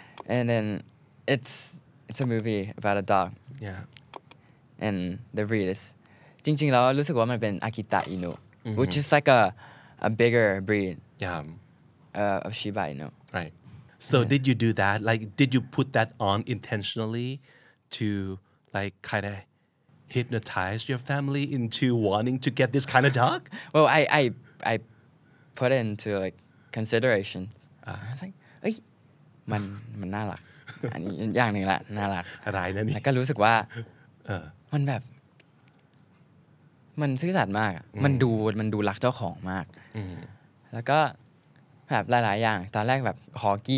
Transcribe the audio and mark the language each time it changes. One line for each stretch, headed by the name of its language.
English: And then it's a movie about a dog. Yeah. And the breed is...
Thai: จริงๆ แล้ว รู้สึกว่ามัน เป็น Akita Inu.
English: Which is like a bigger breed. Yeah. Of Shiba Inu. Right. So yeah. Did you do that? Like, did you put that on intentionally to, like, kind of hypnotize your family into wanting to get this kind of dog? Well, I put it into, like, consideration. I was like,
Thai: เอ้ยมันน่ารักอันนี้อย่างนึงละน่ารัก อะไรนะนี่ แล้วก็รู้สึกว่ามันแบบมันซื่อสัตย์มากมันดูรักเจ้าของมากแล้วก็แบบหลายๆอย่างตอนแรกแบบคอกี